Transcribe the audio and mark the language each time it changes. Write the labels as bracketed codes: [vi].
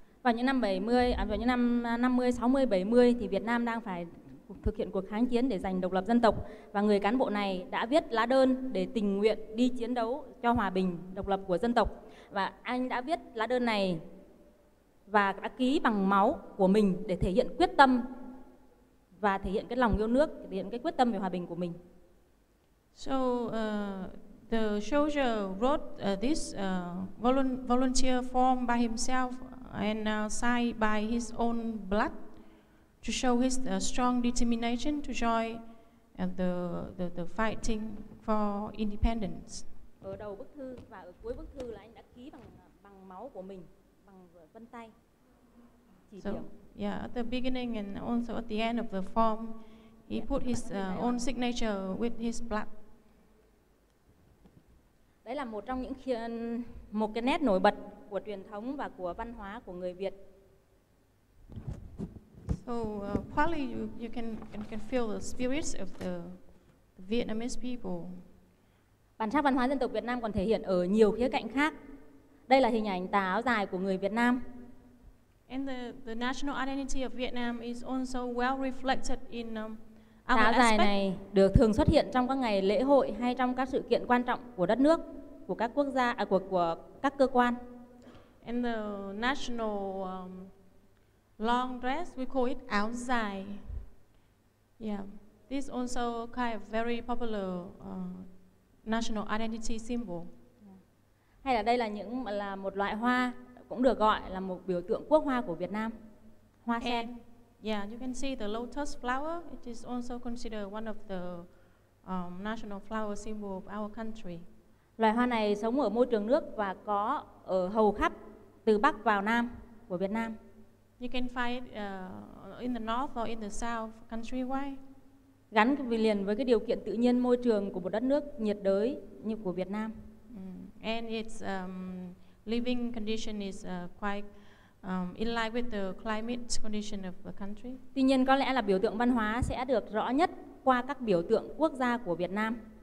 [vi] Vào những năm 70, vào những năm 50, 60, 70 thì Việt Nam đang phải thực hiện cuộc kháng chiến để giành độc lập dân tộc, và người cán bộ này đã viết lá đơn để tình nguyện đi chiến đấu cho hòa bình, độc lập của dân tộc. Và anh đã viết lá đơn này và đã ký bằng máu của mình để thể hiện quyết tâm và thể hiện cái lòng yêu nước, thể hiện cái quyết tâm về hòa bình của mình. [en] So the soldier wrote this volunteer form by himself and signed by his own blood to show his strong determination to join the fighting for independence. [vi] Ở đầu bức thư và ở cuối bức thư là anh đã ký bằng máu của mình, bằng vân tay. [en] So, yeah, at the beginning and also at the end of the form, he put his own signature with his blood. [vi] Đấy là một trong những một cái nét nổi bật của truyền thống và của văn hóa của người Việt. [en] So probably you can feel the spirits of the Vietnamese people. [vi] Bản sắc văn hóa dân tộc Việt Nam còn thể hiện ở nhiều khía cạnh khác. Đây là hình ảnh tà áo dài của người Việt Nam. [en] And the national identity of Vietnam is also well reflected in our aspect. [vi] Tà áo dài này được thường xuất hiện trong các ngày lễ hội hay trong các sự kiện quan trọng của đất nước, của các quốc gia, của các cơ quan. [en] And the national long dress, we call it áo dài. Yeah, this also kind of very popular national identity symbol. [vi] Hay là đây là những là một loại hoa cũng được gọi là một biểu tượng quốc hoa của Việt Nam. Hoa sen. [en] And, yeah, you can see the lotus flower. It is also considered one of the national flower symbol of our country. [vi] Loài hoa này sống ở môi trường nước và có ở hầu khắp từ Bắc vào Nam của Việt Nam. [en] You can find it in the north or in the south country wide. [vi] Gắn liền với cái điều kiện tự nhiên môi trường của một đất nước nhiệt đới như của Việt Nam. [en] And its living condition is quite in line with the climate condition of the country. [vi] Tuy nhiên có lẽ là biểu tượng văn hóa sẽ được rõ nhất qua các biểu tượng quốc gia của Việt Nam.